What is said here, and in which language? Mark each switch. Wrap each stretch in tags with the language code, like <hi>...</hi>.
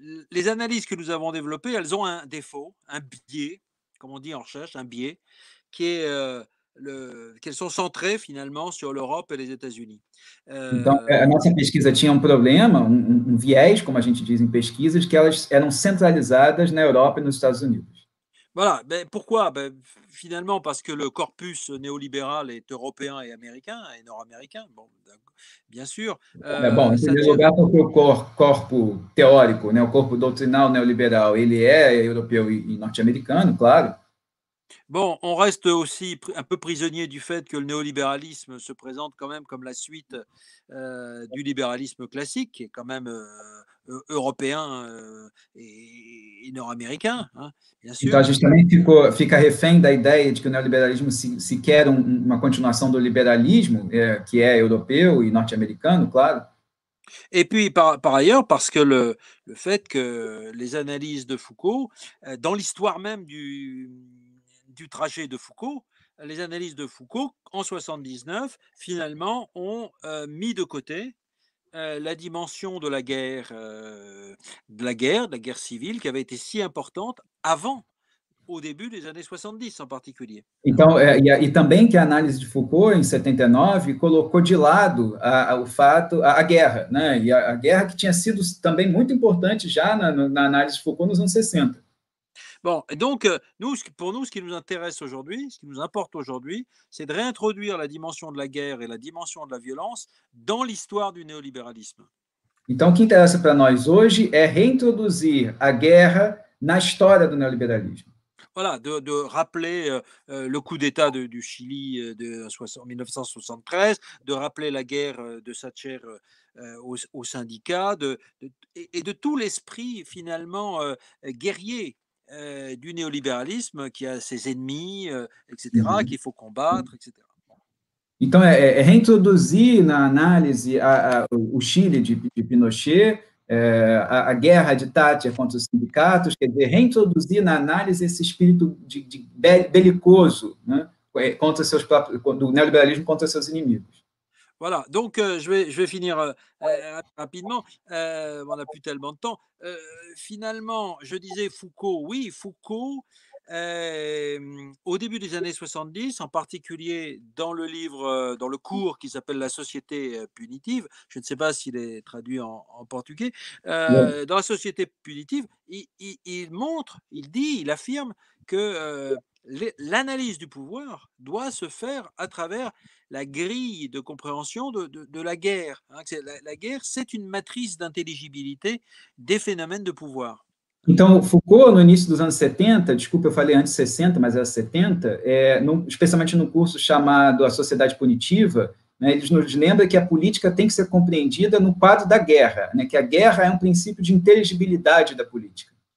<fr>Les analyses que nous avons développées, elles ont un défaut, un biais, comme on dit en recherche, un biais, qui est qu'elles sont centrées finalement sur l'Europe et les États-Unis.</fr> <pt>Então, a nossa pesquisa tinha um problema, um viés, como a gente diz em pesquisas, que elas eram centralizadas na Europa e nos Estados Unidos.</pt> <fr>Voilà, mais pourquoi? Ben, finalement, parce que le corpus néolibéral est européen et américain, et nord-américain, bon, bien sûr. Bon, en premier lieu, parce que le corpus théorique, le corpus doctrinal néolibéral, il est européen et nord-américain, claro. Bon, on reste aussi un peu prisonnier du fait que le néolibéralisme se présente quand même comme la suite du libéralisme classique, qui est quand même européen et nord-américain, bien sûr.</fr> <pt>Então, justement, fica refém da ideia de que o neoliberalismo se quer uma continuação do liberalismo, que é europeu e norte-americano, claro.</pt> <fr>Et puis, par ailleurs, parce que le fait que les analyses de Foucault, dans l'histoire même du trajet de Foucault, les analyses de Foucault, en 79, finalement, ont mis de côté la dimension de la guerre civile, qui avait été si importante avant, au début des années 70 en particulier.</fr> <pt>Então, e também que a análise de Foucault, em 79, colocou de lado a guerra, né? E a guerra que tinha sido também muito importante já na análise de Foucault nos anos 60.</pt> <fr>Bon, et donc, pour nous, ce qui nous intéresse aujourd'hui, ce qui nous importe aujourd'hui, c'est de réintroduire la dimension de la guerre et la dimension de la violence dans l'histoire du néolibéralisme.</fr> <pt>Então, o que interessa para nós hoje é reintroduzir a guerra na história do neoliberalismo.</pt> <fr>Voilà, de rappeler le coup d'État du Chili de 1973, de rappeler la guerre de Thatcher aux syndicats, et de tout l'esprit, finalement, guerrier, du néolibéralisme qui a ses ennemis, etc., qu'il faut combattre, etc.</fr> <pt>Então, reintroduzir na análise o Chile de Pinochet, a guerra de Thatcher contra os sindicatos, quer dizer, reintroduzir na análise esse espírito de belicoso, né, contra seus próprios, do neoliberalismo contra seus inimigos.</pt> <fr>Voilà, donc je vais finir rapidement, on n'a plus tellement de temps. Finalement, je disais Foucault, oui, Foucault, au début des années 70, en particulier dans le livre, dans le cours qui s'appelle La société punitive, je ne sais pas s'il est traduit en portugais, dans La société punitive, il montre, il dit, il affirme que l'analyse du pouvoir doit se faire à travers la grille de compréhension de la guerre. La guerre, c'est une matrice d'intelligibilité des phénomènes de pouvoir.</fr> <pt>Então, Foucault, no início dos anos 70, desculpa, eu falei antes 60, mas era 70, especialmente no curso chamado A Sociedade Punitiva, né, eles nos lembram que a política tem que ser compreendida no quadro da guerra, né, que a guerra é um princípio de inteligibilidade da política.</pt>